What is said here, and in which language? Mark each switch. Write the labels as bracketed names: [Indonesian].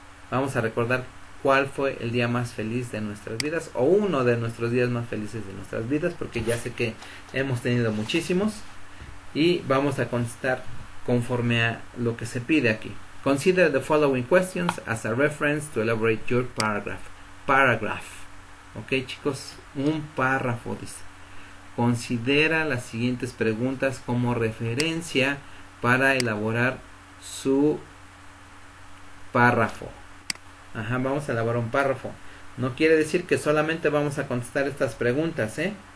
[Spanish] Vamos a recordar cuál fue el día más feliz de nuestras vidas, o uno de nuestros días más felices de nuestras vidas, porque ya sé que hemos tenido muchísimos, y vamos a contestar conforme a lo que se pide aquí. [English] Consider the following questions as a reference to elaborate your paragraph. [Spanish] Ok, chicos, un párrafo dice. Considera las siguientes preguntas como referencia para elaborar su párrafo. Ajá, vamos a elaborar un párrafo. No quiere decir que solamente vamos a contestar estas preguntas, ¿eh?